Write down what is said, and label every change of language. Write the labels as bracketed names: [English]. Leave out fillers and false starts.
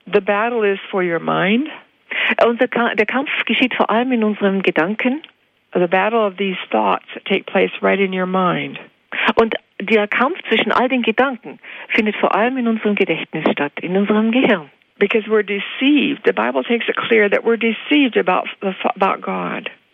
[English] The battle is for your mind. [German] Der Kampf geschieht vor allem in unseren Gedanken. [English] The battle of these thoughts take place right in your mind. [German] Und der Kampf zwischen all den Gedanken findet vor allem in unserem Gedächtnis statt, in unserem Gehirn. [English] Because we're deceived. The Bible makes it clear that we're deceived about God.